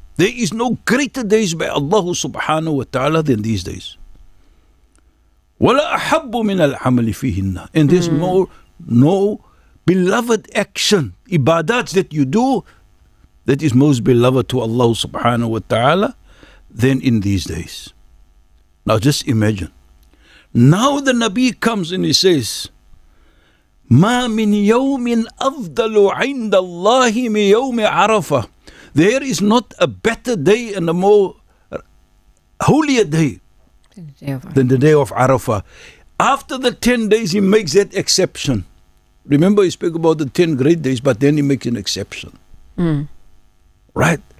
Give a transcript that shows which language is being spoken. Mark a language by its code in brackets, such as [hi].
[en] There is no greater days by Allah subhanahu wa ta'ala than these days. [ar] Wala ahabbu min al-amali fihinna. [en] And there's no beloved action, ibadat that you do, that is most beloved to Allah subhanahu wa ta'ala than in these days. Now just imagine. Now the Nabi comes and he says, [ar] مَا مِنْ يَوْمٍ أَفْضَلُ عِنْدَ اللَّهِ مِنْ يَوْمِ عَرَفَةٍ. [en] There is not a better day and a more holier day than the day of Arafah. After the 10 days, he makes that exception. Remember, he spoke about the 10 great days, but then he makes an exception. Right?